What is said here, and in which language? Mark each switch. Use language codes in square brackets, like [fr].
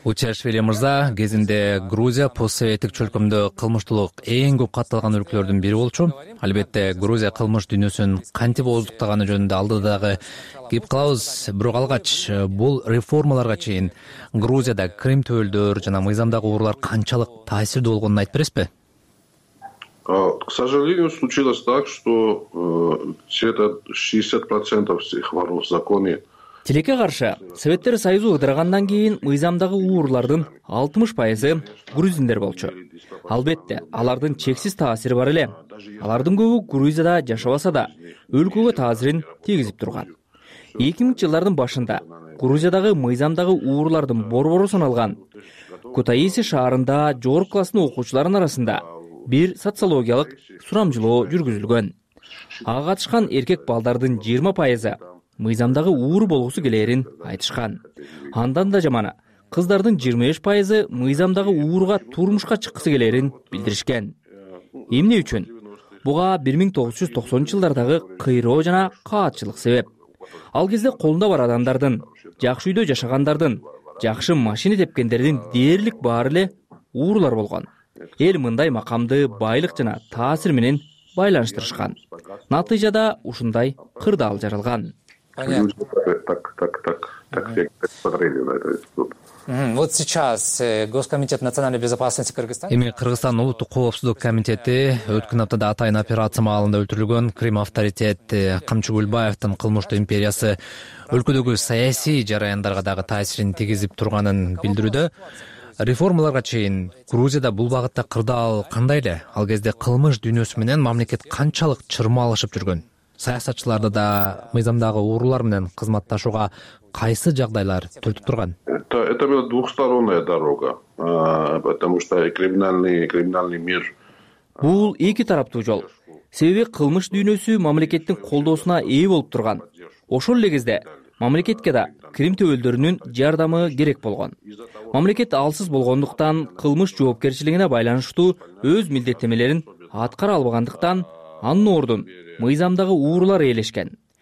[ky] Утиашвили мырза, кезинде Грузия постсоветтик чөлкөмдө кылмыштуулук эң көп катталган өлкөлөрдүн бири болчу. Албетте, Грузия кылмыш дүйнөсүн кантип ооздуктаганы жөнүндө алдыдагы кеп калабыз. Бирок алгач бул реформаларга чейин Грузияда крим төбөлдөр жана мыйзамдагы уурлар канчалык таасирдүү болгонун айтып бересизби? [ru] К сожалению, случилось так, что где-то 60% всех воров в законе. [ky] Тилекке каршы, Советтер Союзу ыдырагандан кийин мыйзамдагы уурлардын 60% грузиндер болчу. Албетте, алардын чексиз таасири бар эле. Алардын көбү Грузияда жашабаса да, өлкөгө таасирин тийгизип турган. 2000 жылдардын башында Грузиядагы мыйзамдагы уурлардын борбору саналган Кутаиси шаарында жогорку класстын окуучуларынын арасында бир социологиялык сурамжылоо жүргүзүлгөн. Ага катышкан эркек балдардын 20% мыйзамдагы уур болгусу келерин айтышкан. Андан да жаманы, кыздардын 25% мыйзамдагы уурга турмушка чыккысы келерин билдиришкен. Эмне үчүн? Буга 1990 жылдардагы кыйроо жана каатчылык себеп. Ал кезде колунда бар адамдардын, жакшы үйдө жашагандардын, жакшы машина тепкендердин дээрлик баары эле уурлар болгон. Эл мындай макамды байлык жана таасир менен байланыштырышкан. Натыйжада ушундай кырдаал жаралган. [ru] Вот сейчас Госкомитет национальной безопасности Кыргызстан. [ky] Эми Кыргызстан улуттук коопсуздук комитети өткөн аптада атайын операция маалында өлтүрүлгөн крим авторитети Камчы Көлбаевдин кылмыштуу империясы өлкөдөгү саясий жараяндарга дагы таасирин тийгизип турганын билдирүүдө. Реформаларга чейин Грузияда бул багытта кырдаал кандай эле? Ал кезде кылмыш дүйнөсү менен мамлекет канчалык чырмалышып жүргөн? Саясатчыларды да мыйзамдагы уурлар менен кызматташууга кайсы жагдайлар түртүп турган? [ru] Это была двухсторонняя дорога, потому что криминальный мир. [ky] Бул эки тараптуу жол. Себеби кылмыш дүйнөсү мамлекеттин колдоосуна ээ болуп турган. Ошол эле кезде мамлекетке да крим төбөлдөрүнүн жардамы керек болгон. Мамлекет алсыз болгондуктан, кылмыш жоопкерчилигине байланыштуу өз милдеттемелерин аткара албагандыктан анын ордун мыйзамдагы уурлар ээлешкен.